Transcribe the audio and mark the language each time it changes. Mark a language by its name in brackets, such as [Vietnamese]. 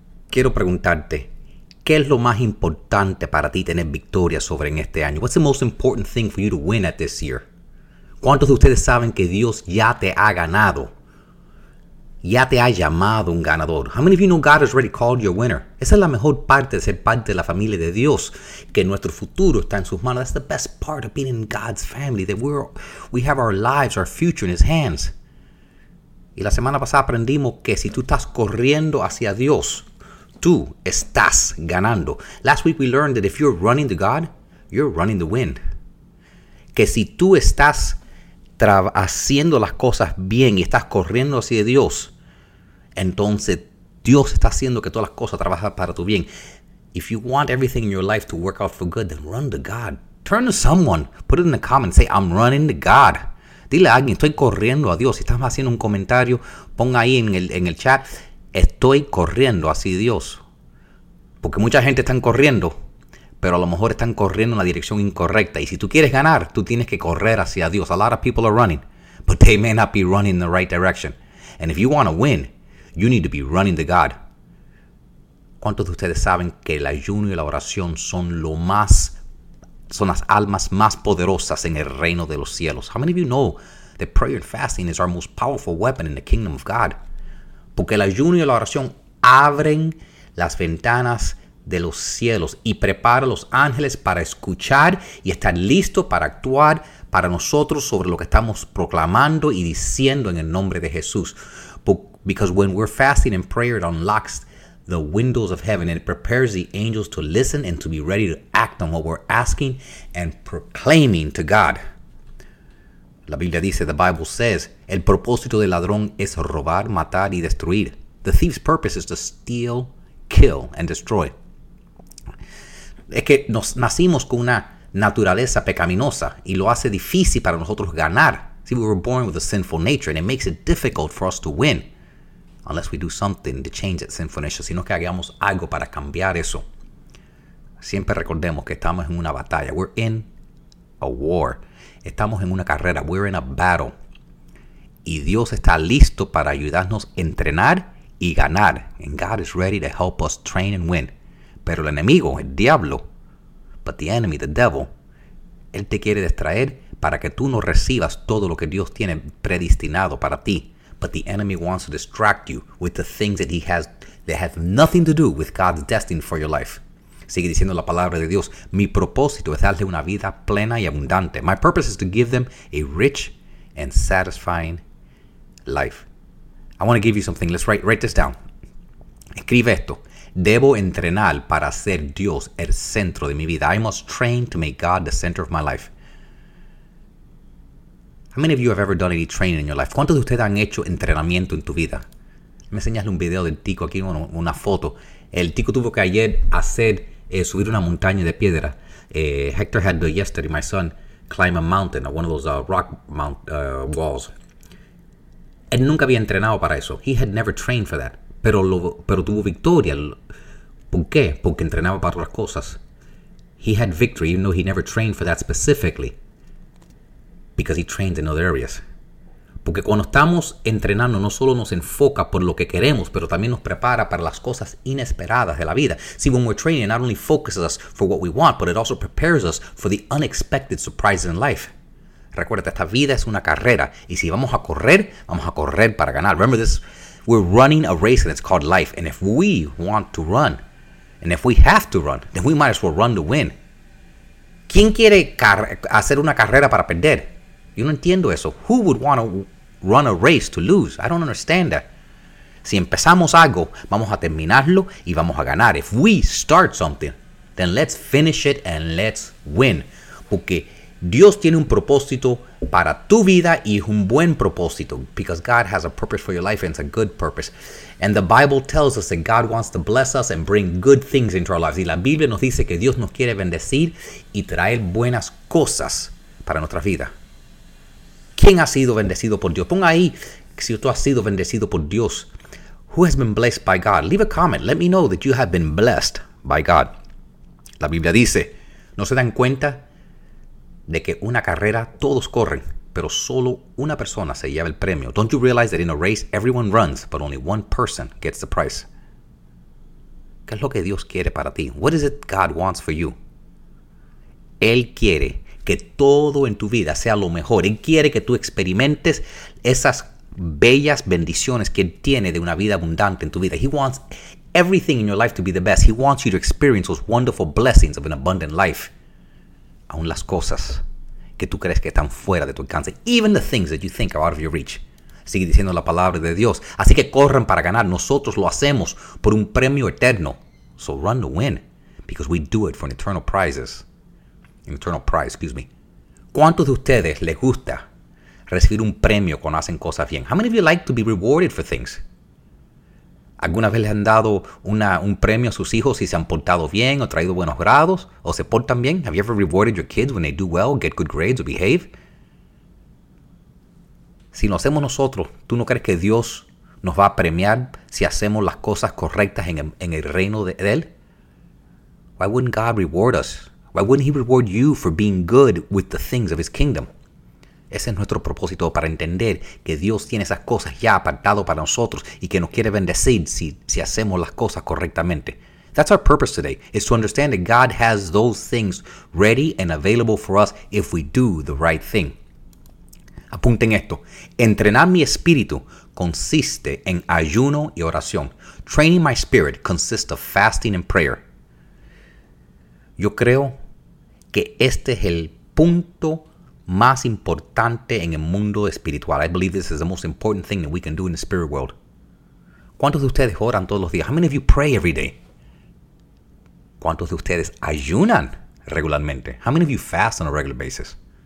[Spanish] Quiero preguntarte, ¿qué es lo más importante para ti tener victoria sobre en este año? [English] What's the most important thing for you to win at this year? [Spanish] ¿Cuántos de ustedes saben que Dios ya te ha ganado? Ya te ha llamado un ganador. [English] How many of you know God has already called you a winner? [Spanish] Esa es la mejor parte de ser parte de la familia de Dios, que nuestro futuro está en sus manos. [English] That's the best part of being in God's family, that we have our lives, our future in His hands. [Spanish] Y la semana pasada aprendimos que si tú estás corriendo hacia Dios, tú estás ganando. [English] Last week we learned that if you're running to God, you're running to win. [Spanish] Que si tú estás haciendo las cosas bien y estás corriendo hacia Dios, entonces Dios está haciendo que todas las cosas trabajen para tu bien. [English] If you want everything in your life to work out for good, then run to God. Turn to someone, put it in the comments, say, I'm running to God. [Spanish] Dile a alguien, estoy corriendo a Dios. Si estás haciendo un comentario, ponga ahí en el chat, estoy corriendo hacia Dios. Porque mucha gente está corriendo, pero a lo mejor están corriendo en la dirección incorrecta. Y si tú quieres ganar, tú tienes que correr hacia Dios. [English] A lot of people are running, but they may not be running in the right direction. And if you want to win, you need to be running to God. [Spanish] ¿Cuántos de ustedes saben que el ayuno y la oración son las almas más poderosas en el reino de los cielos? [English] How many of you know that prayer and fasting is our most powerful weapon in the kingdom of God? [Spanish] Porque el ayuno y la oración abren las ventanas de los cielos y prepara a los ángeles para escuchar y estar listos para actuar para nosotros sobre lo que estamos proclamando y diciendo en el nombre de Jesús. [English] Because when we're fasting and prayer, it unlocks the windows of heaven and it prepares the angels to listen and to be ready to act on what we're asking and proclaiming to God. [Spanish] La Biblia dice, [English] the Bible says, [Spanish] el propósito del ladrón es robar, matar y destruir. [English] The thief's purpose is to steal, kill and destroy. [Spanish] Es que nos nacimos con una naturaleza pecaminosa y lo hace difícil para nosotros ganar. [English] See, we were born with a sinful nature and it makes it difficult for us to win. Unless we do something to change that sinful nature. [Spanish] Sino que hagamos algo para cambiar eso. Siempre recordemos que estamos en una batalla. [English] We're in a war. [Spanish] Estamos en una carrera. [English] We're in a battle. [Spanish] Y Dios está listo para ayudarnos a entrenar y ganar. [English] And God is ready to help us train and win. [Spanish] Pero el enemigo, el diablo. [English] But the enemy, the devil. [Spanish] Él te quiere distraer para que tú no recibas todo lo que Dios tiene predestinado para ti. [English] But the enemy wants to distract you with the things that he has that have nothing to do with God's destiny for your life. [Spanish] Sigue diciendo la palabra de Dios. Mi propósito es darle una vida plena y abundante. [English] My purpose is to give them a rich and satisfying life. I want to give you something. Let's write this down. [Spanish] Escribe esto. Debo entrenar para hacer Dios el centro de mi vida. [English] I must train to make God the center of my life. How many of you have ever done any training in your life? [Spanish] ¿Cuántos de ustedes han hecho entrenamiento en tu vida? Me enseñaste un video del Tico aquí, una foto. El Tico tuvo que ayer hacer subir una montaña de piedra. [English] Hector had yesterday, my son, climb a mountain, one of those rock walls. [Spanish] Él nunca había entrenado para eso. [English] He had never trained for that. [Spanish] Pero tuvo victoria. ¿Por qué? Porque entrenaba para otras cosas. [English] He had victory, even though he never trained for that specifically. Because he trains in other areas. [Spanish] Porque cuando estamos entrenando, no solo nos enfoca por lo que queremos, pero también nos prepara para las cosas inesperadas de la vida. [English] See, when we're training, it not only focuses us for what we want, but it also prepares us for the unexpected surprises in life. [Spanish] Recuerda, esta vida es una carrera. Y si vamos a correr, vamos a correr para ganar. [English] Remember this, we're running a race and it's called life. And if we want to run, and if we have to run, then we might as well run to win. [Spanish] ¿Quién quiere hacer una carrera para perder? Yo no entiendo eso. [English] Who would want to run a race to lose? I don't understand that. [Spanish] Si empezamos algo, vamos a terminarlo y vamos a ganar. [English] If we start something, then let's finish it and let's win. [Spanish] Porque Dios tiene un propósito para tu vida y es un buen propósito. [English] Because God has a purpose for your life and it's a good purpose. And the Bible tells us that God wants to bless us and bring good things into our lives. [Spanish] Y la Biblia nos dice que Dios nos quiere bendecir y traer buenas cosas para nuestra vida. ¿Quién ha sido bendecido por Dios? Ponga ahí si tú has sido bendecido por Dios. [English] Who has been blessed by God? Leave a comment. Let me know that you have been blessed by God. [Spanish] La Biblia dice, no se dan cuenta de que una carrera todos corren, pero solo una persona se lleva el premio. [English] Don't you realize that in a race, everyone runs, but only one person gets the prize? [Spanish] ¿Qué es lo que Dios quiere para ti? [English] What is it God wants for you? [Spanish] Él quiere que todo en tu vida sea lo mejor. Él quiere que tú experimentes esas bellas bendiciones que Él tiene de una vida abundante en tu vida. [English] He wants everything in your life to be the best. He wants you to experience those wonderful blessings of an abundant life. [Spanish] Aún las cosas que tú crees que están fuera de tu alcance. [English] Even the things that you think are out of your reach. [Spanish] Sigue diciendo la palabra de Dios. Así que corran para ganar. Nosotros lo hacemos por un premio eterno. [English] So run to win. Because we do it for an eternal prizes. An eternal prize, excuse me. [Spanish] ¿Cuántos de ustedes les gusta recibir un premio cuando hacen cosas bien? [English] How many of you like to be rewarded for things? [Spanish] ¿Alguna vez les han dado un premio a sus hijos si se han portado bien o traído buenos grados o se portan bien? [English] Have you ever rewarded your kids when they do well, get good grades, or behave? [Spanish] Si lo hacemos nosotros, ¿tú no crees que Dios nos va a premiar si hacemos las cosas correctas en el reino de Él? [English] Why wouldn't God reward us? Why wouldn't He reward you for being good with the things of His kingdom? [Spanish] Ese es nuestro propósito, para entender que Dios tiene esas cosas ya apartado para nosotros y que nos quiere bendecir si hacemos las cosas correctamente. [English] That's our purpose today, is to understand that God has those things ready and available for us if we do the right thing. [Spanish] Apunten esto. Entrenar mi espíritu consiste en ayuno y oración. [English] Training my spirit consists of fasting and prayer. [Spanish] Yo creo que este es el punto más importante en el mundo espiritual. [English] I believe this is the most important thing that we can do in the spirit world. [Spanish] ¿Cuántos de ustedes oran todos los días? [English] How many of you pray every day? [Spanish] ¿Cuántos de ustedes ayunan regularmente? [English] How many of you fast on a regular basis?